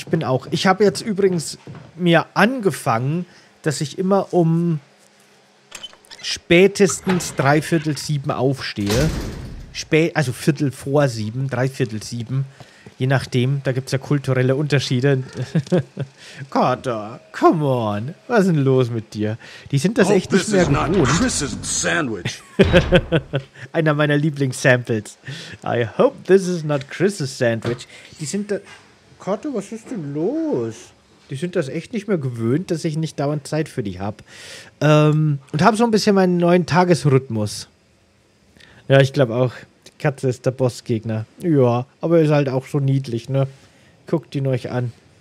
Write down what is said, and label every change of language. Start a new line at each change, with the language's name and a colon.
German: Ich bin auch, ich habe jetzt übrigens mir angefangen, dass ich immer um spätestens 6:45 aufstehe. Also 6:45, 6:45, je nachdem. Da gibt es ja kulturelle Unterschiede. Carter,
English: come on.
German: Was ist denn los mit dir? Die sind das echt nicht mehr gewohnt.
English: This is not Chris's sandwich.
German: Einer meiner Lieblingssamples.
English: I hope this is not Chris's sandwich.
German: Die sind da. Carter, was ist denn los? Die sind das echt nicht mehr gewöhnt, dass ich nicht dauernd Zeit für die habe. Und habe so ein bisschen meinen neuen Tagesrhythmus. Ja, ich glaube auch, die Katze ist der Bossgegner. Ja, aber ist halt auch so niedlich, ne? Guckt ihn euch an.